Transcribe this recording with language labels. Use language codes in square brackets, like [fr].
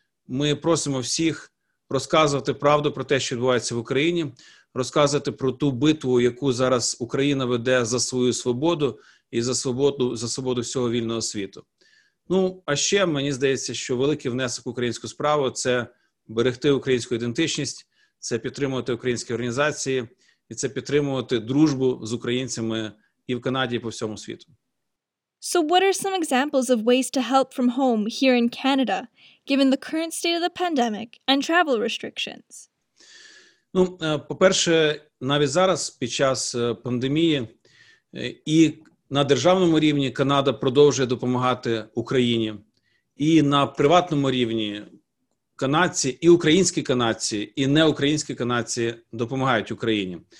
[uk] Ми просимо всіх розказувати правду про те, що відбувається в Україні, розказувати про ту битву, яку зараз Україна веде за свою свободу і за свободу всього вільного світу. Ну, а ще мені здається, що великий внесок в українську справу – це берегти українську ідентичність, це підтримувати українські організації і це підтримувати дружбу з українцями і в Канаді, і по всьому світу. [en] So what are some examples of ways to help from home here in Canada, given the current state of the pandemic and travel restrictions? [uk] Ну, по-перше, навіть зараз, під час пандемії, і на державному рівні Канада продовжує допомагати Україні, і на приватному рівні канадці, і українські канадці, і неукраїнські канадці допомагають Україні.